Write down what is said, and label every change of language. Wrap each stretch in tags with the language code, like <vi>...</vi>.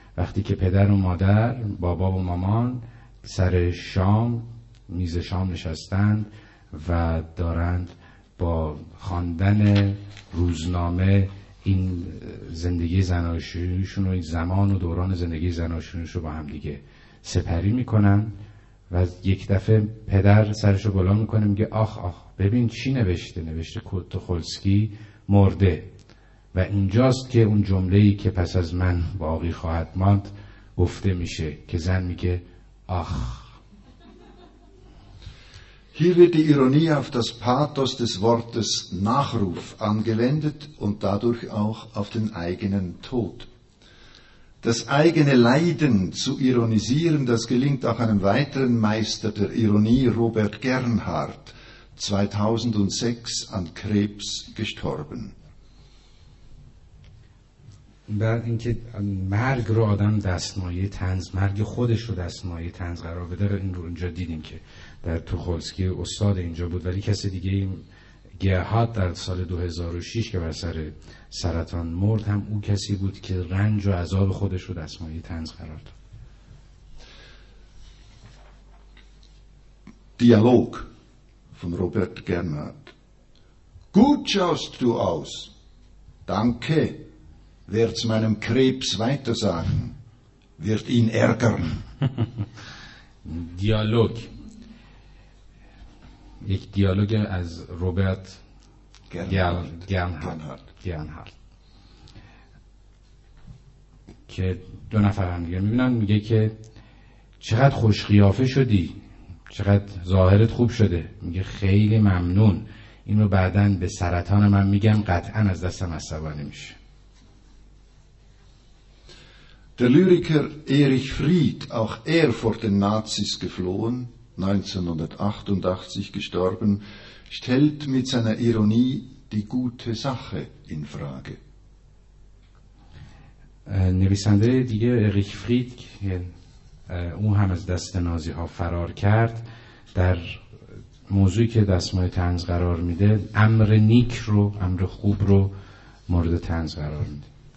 <fa>وقتی که پدر و مادر، بابا و مامان سر شام میز شام نشستند و دارند با خواندن روزنامه این زندگی زناشویشون و این زمان و دوران زندگی زناشویشون رو با هم دیگه سپری میکنن و یک دفعه پدر سرشو بالا میکنه، میگه آخ آخ ببین چی نوشته کوت تخولسکی مرده. و اینجاست که اون جمله‌ای که پس از من باقی خواهد ماند گفته میشه، که زن میگه آخ.</fa> <de>Hier wird die Ironie auf das Pathos des Wortes Nachruf angewendet und dadurch auch auf den eigenen Tod. Das eigene Leiden zu ironisieren, das gelingt auch einem weiteren Meister der Ironie, Robert Gernhardt, 2006 an Krebs gestorben.</de> <fa>بعد اینکه مرگ رو آدم دستمایه طنز، مرگ خودش رو دستمایه طنز قرار بده، این رو اونجا دیدیم که در توخولسکی استاد اینجا بود. ولی کسی دیگه، گرهارد در سال 2006 که بر سر سرطان مرد، هم او کسی بود که رنج و عذاب خودش رو دستمایه طنز قرار داد.</fa> <de>دیالوگ von Robert Gernhardt. Gut schaust du aus. Danke. Wird es meinem Krebs weitersagen? Wird ihn ärgern? Dialog. Ich dialoge als Robert Gernhardt.</de> <fa>که دو نفر هم دیگه میبینن، میگه که چقدر خوش قیافه شدی، چقدر ظاهرت خوب شده. میگه خیلی ممنون، اینو بعدن به سرطان من میگم قطعا از دستم عصبانی میشه.</fa> <de>Der Lyriker Erich Fried, auch er vor den Nazis geflohen, 1988 gestorben, stellt mit seiner Ironie die gute Sache in Frage.</de> <fa>نویسنده دیگه اریخ فرید، که اون هم از دست نازی‌ها فرار کرد، در موضوعی که دستمای طنز قرار میده، امر نیک رو، امر خوب رو مورد طنز قرار میده.</fa>